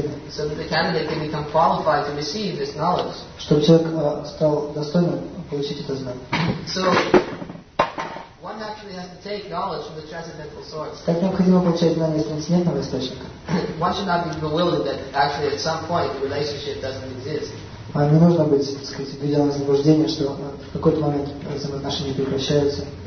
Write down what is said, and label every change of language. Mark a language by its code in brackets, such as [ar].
[en] So that the candidate can become qualified to receive this knowledge. [ru] Чтобы человек стал достойным получить это знание. [en] So one actually has to take knowledge from the transcendental source. [ru] Так необходимо получать знание из трансцендентного источника. [en] One should not be bewildered that actually at some point the relationship doesn't exist. [ru] А не нужно быть, так сказать, введено в заблуждение, что в какой-то момент взаимоотношения прекращаются.